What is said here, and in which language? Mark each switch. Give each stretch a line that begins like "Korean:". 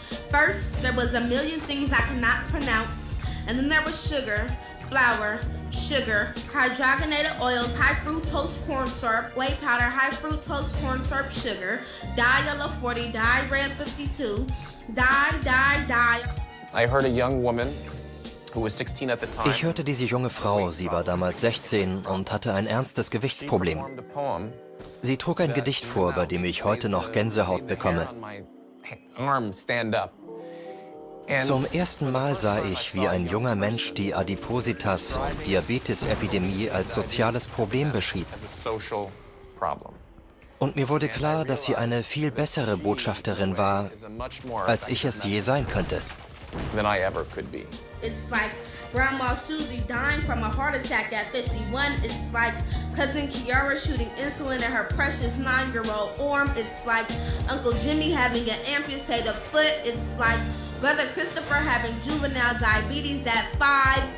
English: First, there was a million things I could not pronounce. And then there was sugar, flour, sugar, hydrogenated oils, high fructose corn syrup, whey powder, high fructose corn syrup, sugar, dye yellow 40, dye red 52, dye. I heard a young woman who was 16 at the time.
German: Ich hörte diese junge Frau, sie war damals 16 und hatte ein ernstes Gewichtsproblem. Sie trug ein Gedicht vor, bei dem ich heute noch Gänsehaut bekomme. Zum ersten Mal sah ich, wie ein junger Mensch die Adipositas- und Diabetes-Epidemie als soziales Problem beschrieb. Und mir wurde klar, dass sie eine viel bessere Botschafterin war, als ich es je sein könnte.
English: Than I ever could be. It's like Grandma Susie dying from a heart attack at 51. It's like Cousin Kiara shooting insulin at her precious 9-year-old arm. It's like Uncle Jimmy having an amputated foot. It's like Brother Christopher having juvenile diabetes at 5.